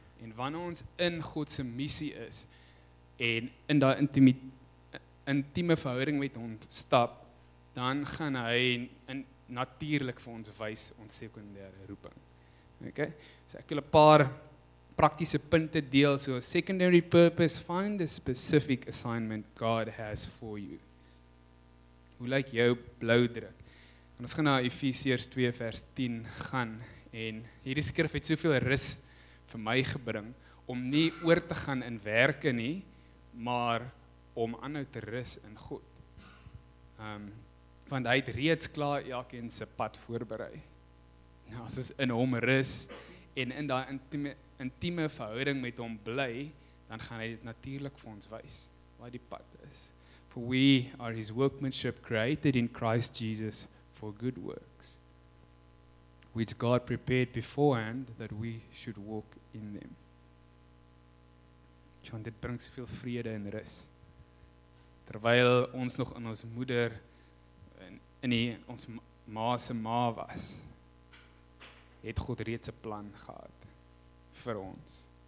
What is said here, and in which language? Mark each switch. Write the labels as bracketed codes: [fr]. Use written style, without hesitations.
[af] En wanneer ons in God se missie is en in daai intieme verhouding met hom stap, dan gaan hy natuurlik vir ons wys ons sekondêre roeping. Okay? So ek wil 'n paar praktiese punte deel. [en] So secondary purpose, find the specific assignment God has for you. [af] Hoe lyk jou blou druk? En ons gaan na Efesiërs 2 vers 10 gaan en hierdie skrif het soveel rus vir my gebring om nie oor te gaan in werke nie, maar om aanhou te rus in God. Want hy het reeds klaar elkeen se pad voorberei. Nou, as ons in hom rus en in daai intieme verhouding met hom bly, dan gaan hy dit natuurlik vir ons wys wat die pad is. [en] For we are his workmanship created in Christ Jesus for good works, which God prepared beforehand that we should walk in them. [af] Want dit bring soveel vrede en rus. Terwyl ons nog in ons moeder en ons ma se ma was, het God reeds 'n plan gehad vir ons.